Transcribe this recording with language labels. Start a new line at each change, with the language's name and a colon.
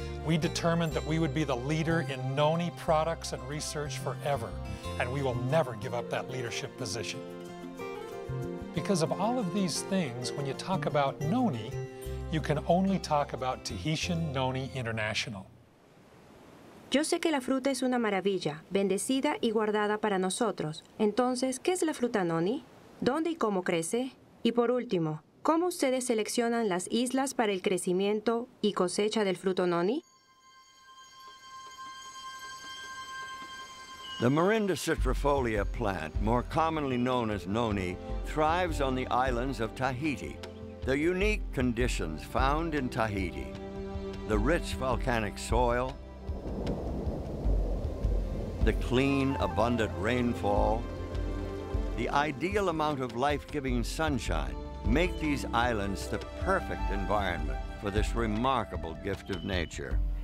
English: We determined that we would be the leader in Noni products and research forever, and we will never give up that leadership position. Because of all of these things, when you talk about Noni, you can only talk about Tahitian Noni International.
Spanish: Yo sé que la fruta es una maravilla, bendecida y guardada para nosotros. Entonces, ¿qué es la fruta Noni? ¿Dónde y cómo crece? Y por último, ¿cómo ustedes seleccionan las islas para el crecimiento y cosecha del fruto Noni?
English: The Morinda citrifolia plant, more commonly known as Noni, thrives on the islands of Tahiti. The unique conditions found in Tahiti, the rich volcanic soil, the clean, abundant rainfall, the ideal amount of life-giving sunshine make these islands the perfect environment for this remarkable gift of nature.